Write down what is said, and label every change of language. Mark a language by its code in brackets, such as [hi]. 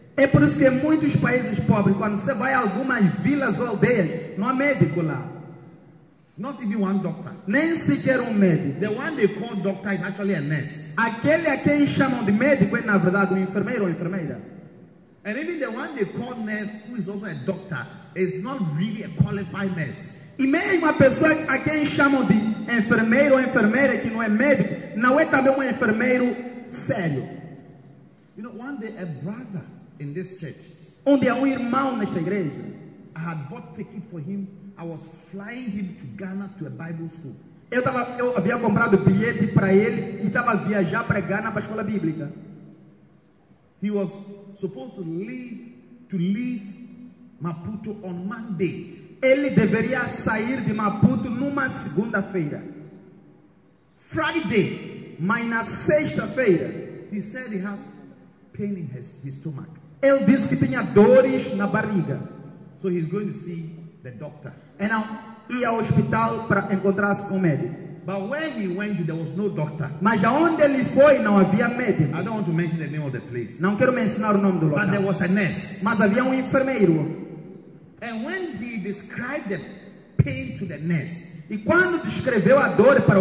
[pt] É por isso que em muitos países pobres, quando você vai a algumas vilas ou aldeias, não há médico lá. [en] Not even one doctor. [pt] Nem sequer médico. [en] The one they call doctor is actually a nurse. [pt] Aquele a quem chamam de médico é na verdade enfermeiro ou enfermeira. [en] And even the one they call nurse, who is also a doctor, is not really a qualified nurse. [pt] E mesmo a pessoa a quem chamam de enfermeiro ou enfermeira que não é médico, não é também enfermeiro sério. [en] You know, one day a brother in this church, [pt] onde há irmão nesta igreja, [en] I had bought ticket for him. I was flying him to Ghana to a Bible school. [pt] Eu havia comprado bilhete para ele e estava a viajar para Ghana para a escola bíblica. [en] He was supposed to leave Maputo on Monday. [pt] Ele deveria sair de Maputo numa segunda-feira. [en] Friday, [pt] mas na sexta-feira, [en] he said he has pain in his stomach. [pt] Ele disse que tinha dores na barriga. [en] So he's going to see the doctor. [pt] E não ia ao hospital para encontrar-se com o médico. [en] But where he went, there was no doctor. [pt] Mas aonde ele foi, não havia médico. [en] I don't want to mention the name of the place. [pt] Não quero mencionar o nome do local. [en] But there was a nurse. [pt] Mas havia enfermeiro. [en] And when he described the pain to the nurse, [pt] e quando descreveu a dor para